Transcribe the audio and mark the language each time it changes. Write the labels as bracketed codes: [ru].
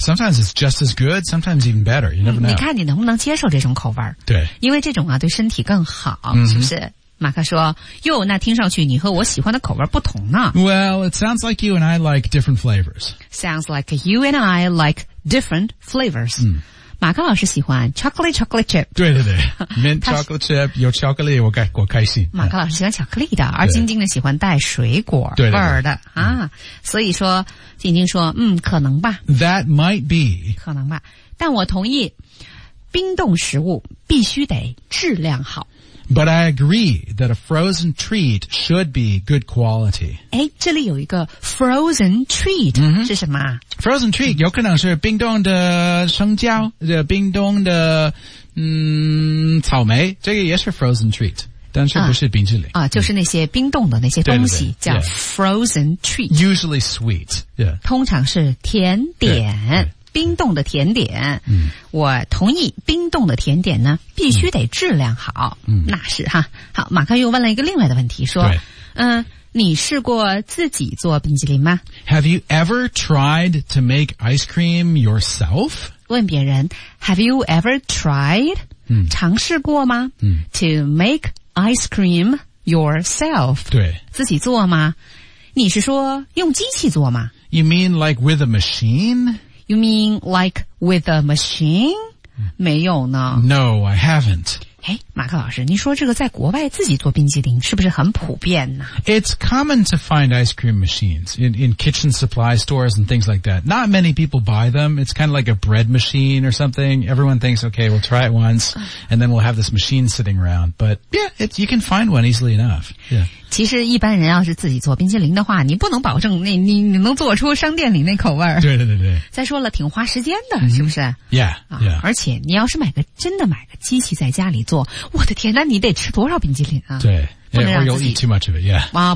[en] Sometimes it's just as good, sometimes even better. You never know. [zh] 你看你能不能接受这种口味。对。因为这种啊对身体更好、 mm-hmm. 是不是马克说哟那听上去你和我喜欢的口味不同呢。 [en] Well, it sounds like you and I like different flavors. Sounds like you and I like different flavors.、 Mm. [zh] 马克老师喜欢 chocolate chip。对对对 ，mint chocolate chip 有巧克力，我开心。马克老师喜欢巧克力的，而晶晶呢喜欢带水果味儿的对对对啊、嗯，所以说晶晶说，嗯，可能吧。 [en] That might be [zh] 可能吧，但我同意，冰冻食物必须得质量好。 [en] But I agree that a frozen treat should be good quality. [zh] 诶这里有一个 frozen treat、 mm-hmm. 是什么 ?Frozen treat 有可能是冰冻的生姜冰冻的草莓这个也是 frozen treat, 但是不是冰淇淋。啊就是那些冰冻的那些东西叫 frozen treat。 [en] Usually sweet,、yeah. [zh] 通常是甜点。冰冻的甜点、嗯、我同意冰冻的甜点呢必须得质量好、嗯、那是哈好马克又问了一个另外的问题说你试过自己做冰淇淋吗 [en] Have you ever tried to make ice cream yourself? [zh] 问别人 [en] Have you ever tried、嗯、 [zh] 尝试过吗、嗯、 [en] To make ice cream yourself [zh] 对自己做吗你是说用机器做吗 [en] You mean like with a machine? You mean like with a machine? [zh] 没有呢。 [en] No, I haven't. [zh] 诶马克老师你说这个在国外自己做冰激凌是不是很普遍呢 [en] It's common to find ice cream machines in kitchen supply stores and things like that. Not many people buy them. It's kind of like a bread machine or something. Everyone thinks, okay, we'll try it once, and then we'll have this machine sitting around. But yeah, you can find one easily enough. Yeah. [zh] 其实一般人要是自己做冰淇淋的话你不能保证那 你能做出商店里那口味。对对对对。再说了挺花时间的、mm-hmm. 是不是 [en] yeah, yeah. [zh] 而且你要是真的买个机器在家里做我的天哪你得吃多少冰淇淋啊。 [en] 对。Yeah, or you'll eat too much of it, yeah.